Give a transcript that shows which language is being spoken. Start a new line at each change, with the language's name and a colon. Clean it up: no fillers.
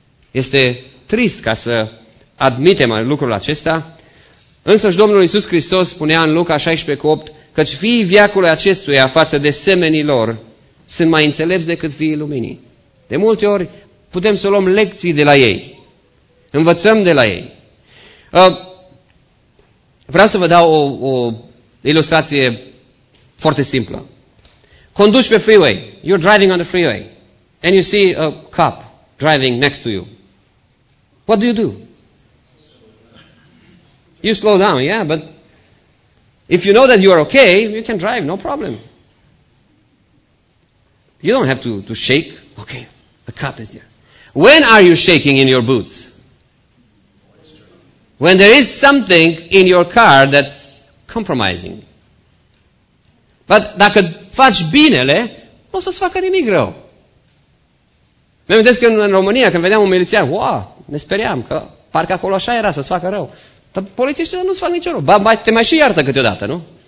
Romanian: Este trist ca să admitem lucrul acesta, însă și Domnul Iisus Hristos spunea în Luca 16:8, căci fiii veacului acestuia față de semenii lor sunt mai înțelepți decât fiii luminii. De multe ori putem să luăm lecții de la ei, învățăm de la ei. Vreau să vă dau o ilustrație foarte simplă. Conduci pe freeway,
English: you're driving on the freeway, and you see a cop driving next to you. What do you do? You slow down, yeah, but if you know that you are okay, you can drive, no problem. You don't have to shake. Okay, the cop is there. When are you shaking in your boots? When there is something in your car that's compromising. But
Romanian: dacă faci binele, nu o să-ți facă nimic rău. Mi-am amintesc că în România, când vedeam un milițian, wow, ne speriam că parcă acolo așa era, să-ți facă rău. Dar polițiștii nu-ți fac nicio rău. Ba, te mai și iartă câteodată, nu?